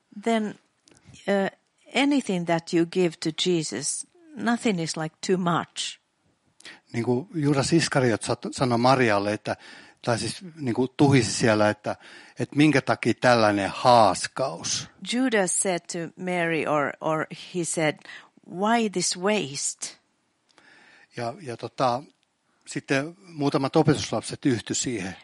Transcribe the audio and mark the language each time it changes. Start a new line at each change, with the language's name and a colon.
English: Then anything that you give to Jesus, nothing is like too much.
Finnish: Niinku Juudas Iskariot sanoi Marialle, että tai siis niinku tuhisi siellä, että minkä takia tällainen haaskaus.
English: Judas said to Mary or he said, why this waste?
Finnish: Ja sitten muutamat opetuslapset yhty siihen.